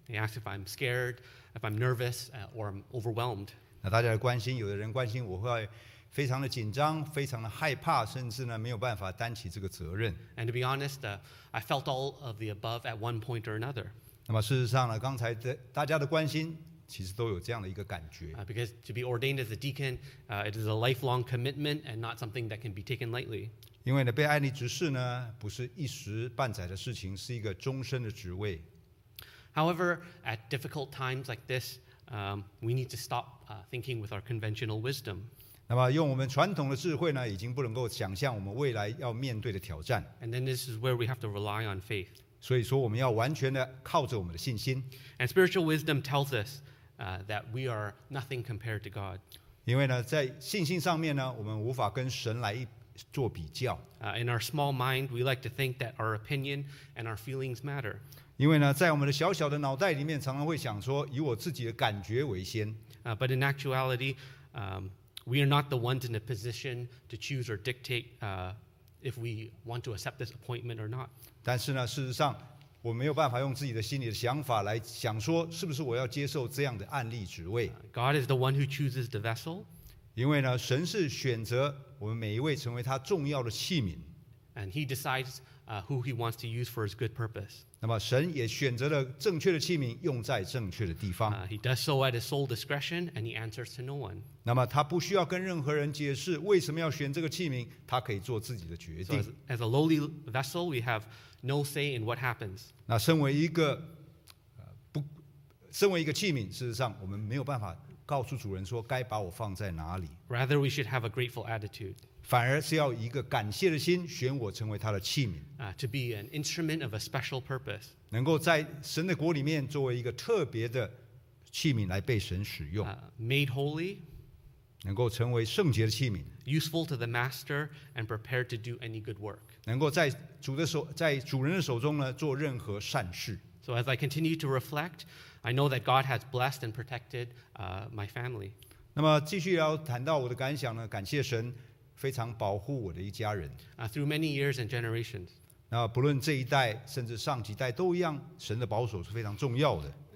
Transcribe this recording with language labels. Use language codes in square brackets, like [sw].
[en] They ask if I'm scared, if I'm nervous, or I'm overwhelmed. [zh] 那大家的关心，有的人关心我会非常的紧张，非常的害怕，甚至呢没有办法担起这个责任。 [en] And to be honest, I felt all of the above at one point or another. [zh] 那么事实上呢，刚才大家的关心。其实都有这样的一个感觉。 [en] Because to be ordained as a deacon, it is a lifelong commitment and not something that can be taken lightly. [zh] 因为呢，被按立执事呢，不是一时半载的事情，是一个终身的职位。 [en] However, at difficult times like this, we need to stop thinking with our conventional wisdom. [zh] 那么用我们传统的智慧呢，已经不能够想象我们未来要面对的挑战。 [en] And then this is where we have to rely on faith. [zh] 所以说我们要完全的靠着我们的信心。 [en] And spiritual wisdom tells us that we are nothing compared to God. [zh] 因为呢，在信心上面呢，我们无法跟神来做比较。 [en] In our small mind, we like to think that our opinion and our feelings matter. [zh] 因为呢，在我们的小小的脑袋里面，常常会想说，以我自己的感觉为先。 [en] But in actuality, we are not the ones in a position to choose or dictate if we want to accept this appointment or not. [zh] 但是呢，事实上，我没有办法用自己的心里的想法来想说，是不是我要接受这样的案例职位。 [en] God is the one who chooses the vessel. [zh] 因为呢，神是选择我们每一位成为他重要的器皿。 [en] And he decides who he wants to use for his good purpose. [zh] 那么神也选择了正确的器皿用在正确的地方。 [en] He does so at his sole discretion, and he answers to no one. [zh] 那么他不需要跟任何人解释为什么要选这个器皿，他可以做自己的决定。 [en] So as a lowly vessel, we have no say in what happens. [zh] 那身为一个器皿，事实上我们没有办法告诉主人说该把我放在哪里。 [en] Rather, we should have a grateful attitude. [zh] 反而是要以一个感谢的心选我成为他的器皿。 [en] To be an instrument of a special purpose. [zh] 能够在神的国里面作为一个特别的器皿来被神使用。 [en] Made holy. [zh] 能够成为圣洁的器皿。 [en] Useful to the master and prepared to do any good work. [zh] 能够在主人的手中呢做任何善事。 [en] So as I continue to reflect, I know that God has blessed and protected my family. [zh] 那么继续要谈到我的感想呢，感谢神。非常保护我的一家人。 [en] Through many years and generations. [zh] 那不论这一代甚至上几代都一样，神的保守是非常重要的。